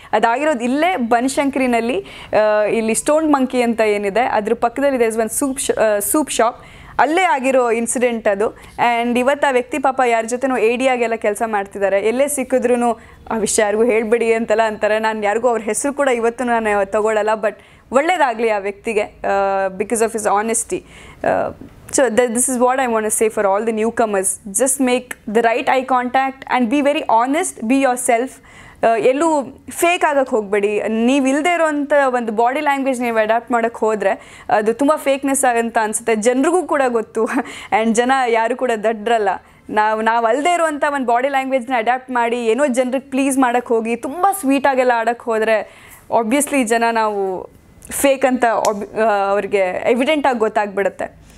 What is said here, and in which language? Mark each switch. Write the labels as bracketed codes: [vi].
[kn] ಅದಾಗಿರೋದು ಇಲ್ಲೇ ಬನಶಂಕರಿನಲ್ಲಿ, ಇಲ್ಲಿ stone monkey ಅಂತ ಏನಿದೆ ಅದ್ರ ಪಕ್ಕದಲ್ಲಿದೆ ಇಸ್ ಒಂದು ಸೂಪ್ ಶಾಪ್, ಅಲ್ಲೇ ಆಗಿರೋ ಇನ್ಸಿಡೆಂಟ್ ಅದು. ಆ್ಯಂಡ್ ಇವತ್ತು ಆ ವ್ಯಕ್ತಿ ಪಾಪ ಯಾರ ಜೊತೆನೂ ADಯಾಗೆಲ್ಲ ಕೆಲಸ ಮಾಡ್ತಿದ್ದಾರೆ, ಎಲ್ಲೇ ಸಿಕ್ಕಿದ್ರೂ ಆ ವಿಷಯ ಯಾರಿಗೂ ಹೇಳಿಬಿಡಿ ಅಂತೆಲ್ಲ ಅಂತಾರೆ. ನಾನು ಯಾರಿಗೂ ಅವ್ರ ಹೆಸರು ಕೂಡ ಇವತ್ತು ನಾನು ತೊಗೊಳ್ಳಲ್ಲ. ಬಟ್ ಒಳ್ಳೇದಾಗಲಿ ಆ ವ್ಯಕ್ತಿಗೆ because of is honesty. [en] So this is what I want to say for all the newcomers. Just make the right eye contact and be very honest, be yourself. [kn] ಎಲ್ಲು ಫೇಕ್ ಆಗೋಕ್ಕೆ ಹೋಗಬೇಡಿ. ನೀವು ಇಲ್ಲದೆ ಇರೋವಂಥ ಒಂದು ಬಾಡಿ ಲ್ಯಾಂಗ್ವೇಜ್ ನೀವು adapt ಮಾಡೋಕ್ಕೆ ಹೋದರೆ ಅದು ತುಂಬ ಫೇಕ್ನೆಸ್ ಆಗಂತ ಅನಿಸುತ್ತೆ, ಜನರಿಗೂ ಕೂಡ ಗೊತ್ತು. ಆ್ಯಂಡ್ ಜನ ಯಾರು ಕೂಡ ದಡ್ರಲ್ಲ. ನಾವು ಅಲ್ಲದೆ ಇರುವಂಥ ಒಂದು ಬಾಡಿ ಲ್ಯಾಂಗ್ವೇಜ್ನ ಅಡಾಪ್ಟ್ ಮಾಡಿ ಏನೋ ಜನರಿಗೆ ಪ್ಲೀಸ್ ಮಾಡೋಕ್ಕೆ ಹೋಗಿ ತುಂಬ ಸ್ವೀಟಾಗೆಲ್ಲ ಆಡೋಕ್ಕೆ ಹೋದರೆ ಆಬ್ವಿಯಸ್ಲಿ ಜನ ನಾವು ಫೇಕ್ ಅಂತ ಅವ್ರಿಗೆ ಎವಿಡೆಂಟ್ ಆಗಿ ಗೊತ್ತಾಗ್ಬಿಡುತ್ತೆ.